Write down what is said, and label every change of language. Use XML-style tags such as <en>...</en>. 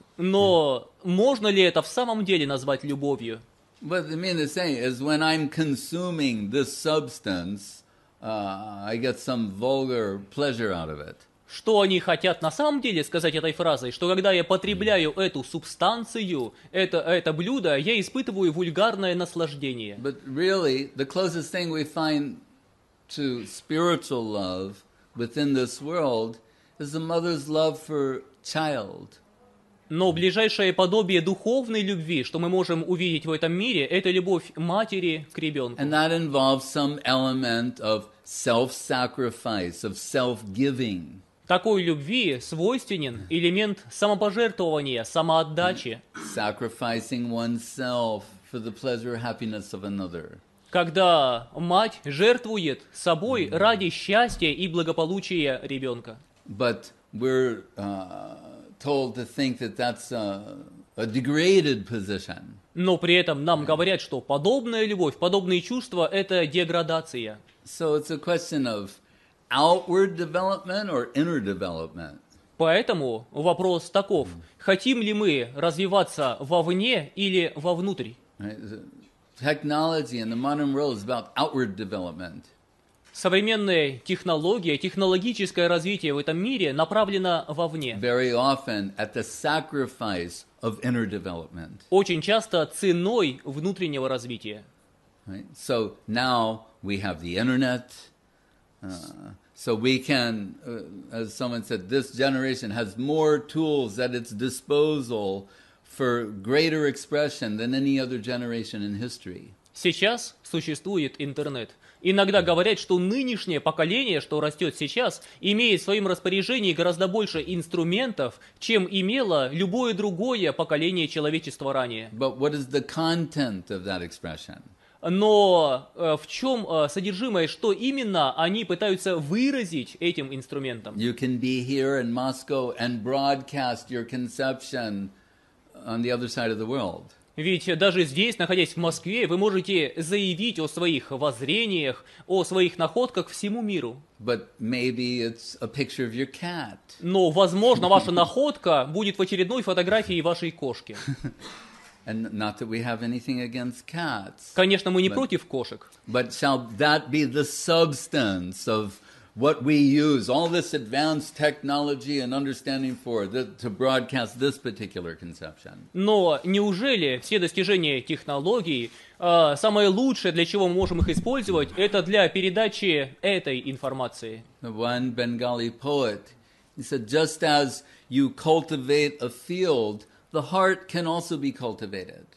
<ru>Но можно ли это в самом деле назвать любовью?</ru> <en>But I mean the same is when I'm consuming this substance, I get some vulgar pleasure out of it.</en> <ru>Что они хотят на самом деле сказать этой фразой? Что когда я потребляю эту субстанцию, это блюдо, я испытываю вульгарное наслаждение.</ru> <en>But really, the closest thing we find to spiritual love within this world is a mother's love for child.</en> <ru>Но ближайшее подобие духовной любви, что мы можем увидеть в этом мире, это любовь матери к ребенку.</ru> <en>And that involves some element of self-sacrifice, of self-giving.</en> <ru>Такой любви свойственен элемент самопожертвования, самоотдачи.</ru> <en>Sacrificing oneself for the pleasure or happiness of another.</en> <ru>Когда мать жертвует собой ради счастья и благополучия ребенка.</ru> <en>But we're told to think that that's a degraded position.</en> <ru>Но при этом нам говорят, что подобная любовь, подобные чувства – это деградация.</ru> <en>So it's a question of outward development or inner development.</en> <ru>Поэтому вопрос таков: хотим ли мы развиваться вовне или вовнутрь?</ru> <en>Technology in the modern world is about outward development.</en> <ru>Современная технология, технологическое развитие в этом мире направлено вовне.</ru> <en>Very often at the sacrifice of inner development.</en> <ru>Очень часто ценой внутреннего развития.</ru> <en>Right? So now we have the internet. So we can, as someone said, this generation has more tools at its disposal for greater expression than any other generation in history.</en> <ru>Сейчас существует интернет. Иногда говорят, что нынешнее поколение, что растет сейчас, имеет в своем распоряжении гораздо больше инструментов, чем имело любое другое поколение человечества ранее.</ru> <en>But what is the content of that expression?</en> <ru>Но в чем содержимое, что именно они пытаются выразить этим инструментом?</ru> <en>You can be here in Moscow and broadcast your conception on the other side of the world.</en> <ru>Ведь даже здесь, находясь в Москве, вы можете заявить о своих воззрениях, о своих находках всему миру.</ru> <en>But maybe it's a picture of your cat.</en> <ru>Но, возможно, ваша находка будет в очередной фотографии вашей кошки.</ru> <en>And not that we have anything against cats.</en> <ru>Конечно, мы не против кошек.</ru> <en>But shall that be the substance of what we use, all this advanced technology and understanding for, to broadcast this particular conception?</en> <ru>Но неужели все достижения технологий, самое лучшее, для чего мы можем их использовать, это для передачи этой информации?</ru> <en>One Bengali poet, he said, just as you cultivate a field, the heart can also be cultivated.</en>